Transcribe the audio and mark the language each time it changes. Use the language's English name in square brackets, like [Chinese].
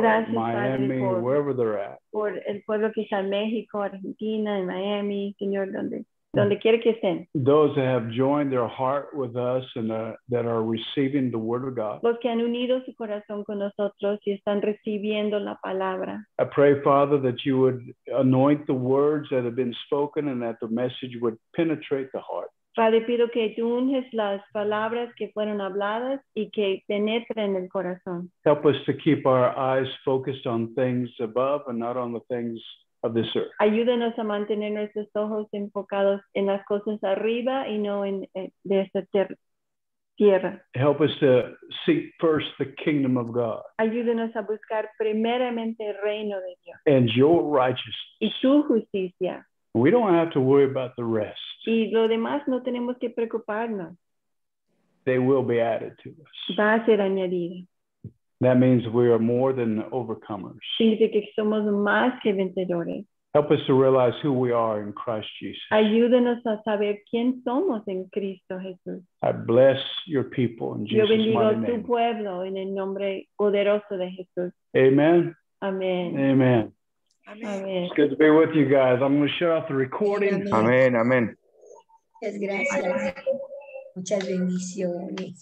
[Spanish] gracias, Miami, Padre, [English] wherever they're at. [Spanish] Por el pueblo que está en México, Argentina, en Miami, Señor, donde donde quiera que estén. [English] Those that have joined their heart with us and that are receiving the word of God. [Spanish] Los que han unido su corazón con nosotros y están recibiendo la palabra. [English] I pray, Father, that you would anoint the words that have been spoken and that the message would penetrate the heart. [Spanish] Padre, pido que tú unjas las palabras que fueron habladas y que penetren el corazón. [English] Help us to keep our eyes focused on things above and not on the things of this earth. [Spanish] Ayúdanos a mantener nuestros ojos enfocados en las cosas arriba y no en de esta tierra. [English] Help us to seek first the kingdom of God. [Spanish] Ayúdanos a buscar primeramente el reino de Dios. [English] And your righteousness. [Spanish] Y tu justicia. [English] We don't have to worry about the rest. [Spanish] Y lo demás no tenemos que preocuparnos. [English] They will be added to us. [Spanish] Va a ser añadido. [English] That means we are more than overcomers. [Spanish] Significa que somos más que vencedores. [English] Help us to realize who we are in Christ Jesus. [Spanish] Ayúdanos a saber quién somos en Cristo Jesús. [English] I bless your people in Jesus' [Spanish] name. Yo bendigo tu pueblo en el nombre poderoso de Jesús. [English] Amen. Amen. Amen. Amen. It's good to be with you guys. I'm going to shut off the recording. Amen, amen. [Spanish] Muchas gracias. Muchas bendiciones.